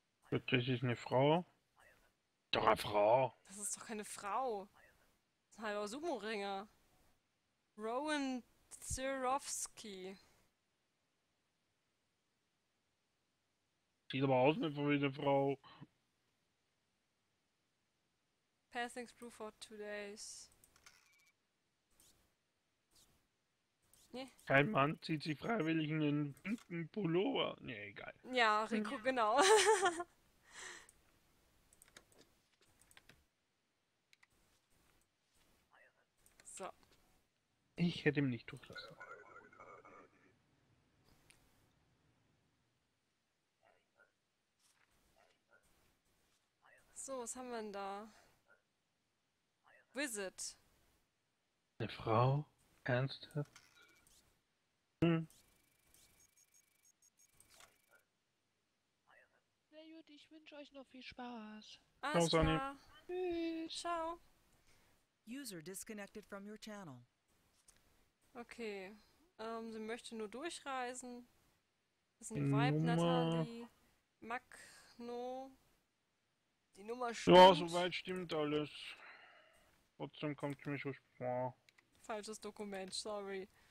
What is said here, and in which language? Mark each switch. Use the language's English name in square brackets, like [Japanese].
[German] Gut, das ist eine Frau. Doch, eine Frau. Das ist doch keine Frau. Das ist ein halber Sumo-Ringer. Rowan Zerowski. Sieht aber aus wie eine Frau. [English] Passing through for 2 days. [German] Nee. Kein Mann zieht sich freiwillig in einen pinken Pullover. Nee, egal. Ja, Rico, genau. Ich hätte ihn nicht durchlassen. So, was haben wir denn da? Visit. Eine Frau? Ernsthaft? Na gut, ich wünsche euch noch viel Spaß. Ciao, Ciao, Sonny. Sonja. Tschüss. Ciao. [English] User disconnected from your channel. [German] Okay. Sie möchte nur durchreisen. Das ist ein Vibe, Nummer. Nathalie. Magno. Die Nummer Ja, stimmt. soweit stimmt alles. Trotzdem kommt mir so vor. Falsches Dokument, sorry.